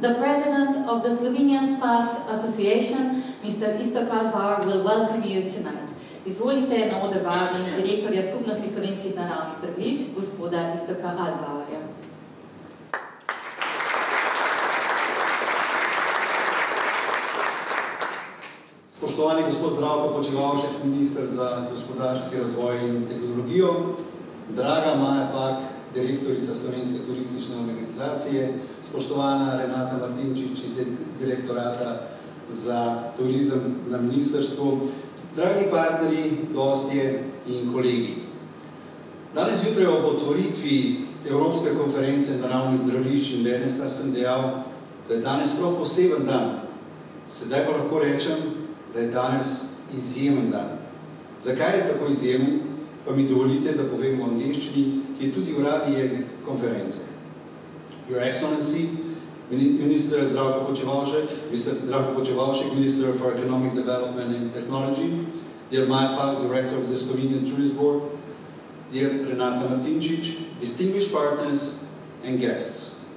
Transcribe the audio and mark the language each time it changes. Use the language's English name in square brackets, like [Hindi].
[English] The president of the Slovenian Spa Association, Mr. Istokar Bauer, will welcome you tonight. [Slovenian] Izvolite na oder vabim direktorja Skupnosti slovenskih naravnih zdravilišč, gospoda Istoka Bauerja. Spoštovani gospod Zdravko Počivalšek, minister za gospodarski razvoj in tehnologijo, draga Maja Pak, direktorica Slovenske turistične organizacije, spoštovana Renata Martinčič iz direktorata za turizem na ministrstvu, dragi partneri, gostje in kolegi. Danes jutraj ob otvoritvi Evropske konference naravnih zdravilišč in wellnessa sem dejal, da je danes prav poseben dan. Sedaj pa lahko rečem, da je danes izjemen dan. Zakaj je tako izjemen, pa mi dovolite, da povem v angleščini, ki je tudi uradni jezik konference. [English] Your Excellency, Minister Zdravko Počivalšek, Minister for Economic Development and Technology, dear Maja Pak, Director of the Slovenian Tourist Board, dear Renata Martinčič, distinguished partners and guests.